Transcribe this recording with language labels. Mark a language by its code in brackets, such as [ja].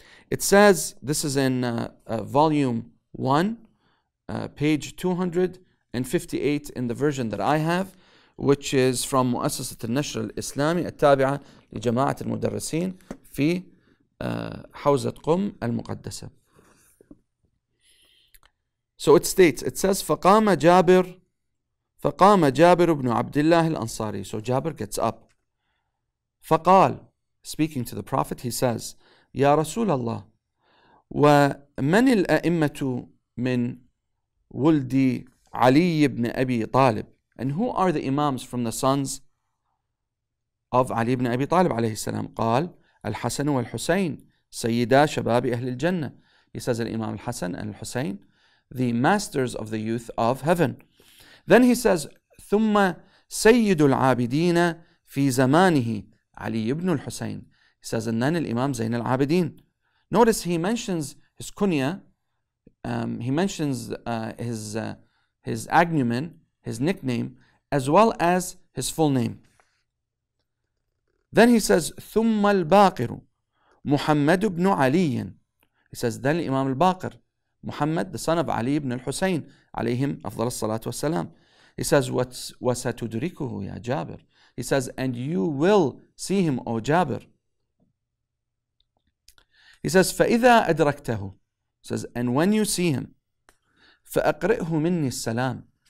[en] It says, this is in volume 1, page 258 in the version that I have, which is from [ar] مؤسسة النشر الإسلامي التابعة لجماعة المدرسين في حوزة قم المقدسة. [en] So it states, it says, [ar] فقام جابر بن عبد الله الأنصاري. [en] So Jabir gets up. [ar] فقال, [en] speaking to the Prophet, he says, [ar] يا رسول الله, ومن الأئمة من ولد علي بن أبي طالب. [en] And who are the imams from the sons of Ali ibn Abi Talib [ar] عليه السلام? قال, الحسن والحسين, سيدا شباب أهل الجنة. [en] He says, الإمام الحسن and الحسين, the masters of the youth of heaven. Then he says, [ar] ثم سيد العابدين في زمانه علي بن الحسين. [en] He says, and then الإمام زين العابدين. Notice he mentions his kunya, he mentions his agnomen, his nickname, as well as his full name. Then he says, [ar] ثم الباقر محمد بن علي. [en] He says, then الإمام الباقر, Muhammad, the son of Ali ibn al-Husayn, [ar] alayhim afdal as-salatu was-salam. [en] He says, [ar] وَسَتُدْرِكُهُ يَا جَابِر. [en] He says, and you will see him, O Jabir. He says, [ar] فَإِذَا أَدْرَكْتَهُ. [en] He says, and when you see him, [ar] فَأَقْرِئْهُ مِنِّي السَّلَام.